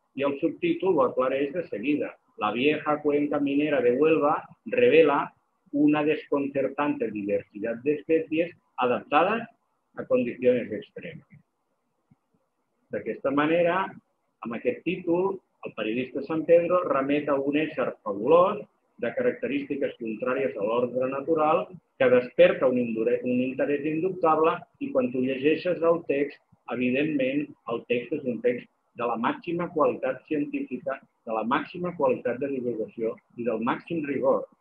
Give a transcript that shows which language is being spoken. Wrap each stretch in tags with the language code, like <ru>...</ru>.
<ca>I el subtítol ho aclareix de seguida.</ca> <es>La vieja cuenca minera de Huelva revela una desconcertante diversidad de especies adaptadas a condiciones extremas.</es> <ca>D'aquesta manera, amb aquest títol, el periodista Sampedro remet a un ésser fabulós de característiques contràries a l'ordre natural que desperta un interès indubtable i quan tu llegeixes el text, evidentment, el text és un text de la màxima qualitat científica, de la màxima qualitat de divulgació i del màxim rigor.</ca>